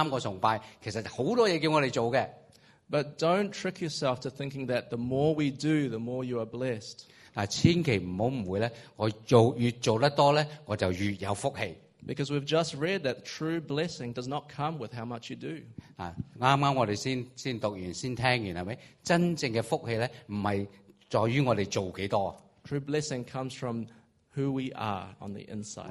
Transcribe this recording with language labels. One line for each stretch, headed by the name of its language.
Chinese: 所以我们教会基本上每一天都有活动的，然后我们星期六日就有三个崇拜，其实很多事情叫我们做的。
English: But don't trick yourself to thinking that the more we do, the more you are blessed.
Chinese: 千万不要误会，我越做得多，我就越有福气。
English: Because we've just read that true blessing does not come with how much you do.
Chinese: 刚刚我们先读完，先听完，真正的福气不是在于我们做多少。True
English: blessing comes from who we are on the inside.